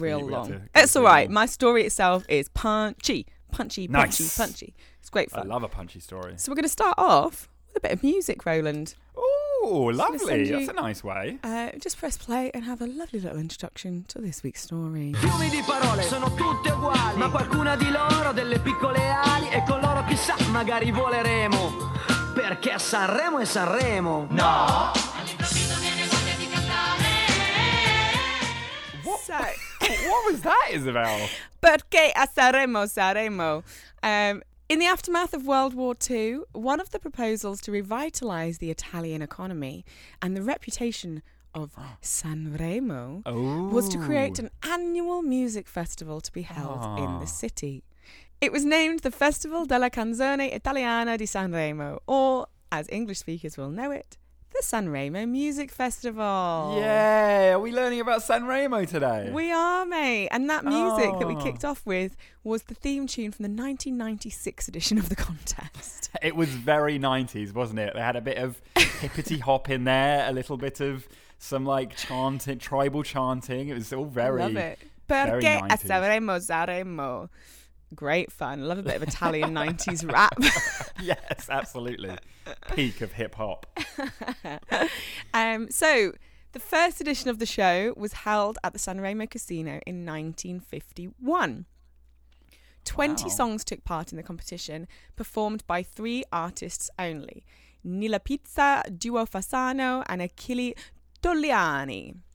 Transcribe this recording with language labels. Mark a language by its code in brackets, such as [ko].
[en] Real long. It's all right. My story itself is punchy, punchy, punchy, punchy. It's great fun. I love a punchy story. So we're going to start off with a bit of music, Roland. Ooh, lovely. That's a nice way. Just press play and have a lovely little introduction to this week's story. [it] Fiumi di parole sono tutte uguali, ma qualcuna di loro delle piccole ali, e con loro chissà magari voleremo. Perché Sanremo è Sanremo. [en] No. What was that, Isabel? [it] Perché a Sanremo, Sanremo. [en] In the aftermath of World War II, one of the proposals to revitalize the Italian economy and the reputation of Sanremo was to create an annual music festival to be held in the city. It was named the Festival della Canzone Italiana di Sanremo, or, as English speakers will know it, the Sanremo Music Festival. Yay! Are we learning about Sanremo today? We are, mate. And that music that we kicked off with was the theme tune from the 1996 edition of the contest. It was very 90s, wasn't it? They had a bit of hippity hop in there, a little bit of some like chanting, tribal chanting. It was all very, love it. [it] Perché a Sanremo, Sanremo. [en] Great fun. Love a bit of Italian 90s rap. Yes, absolutely. Peak of hip hop. So the first edition of the show was held at the Sanremo Casino in 1951. 20 songs took part in the competition, performed by 3 artists only: Nila Pizza, Duo Fasano, and Achille Togliani.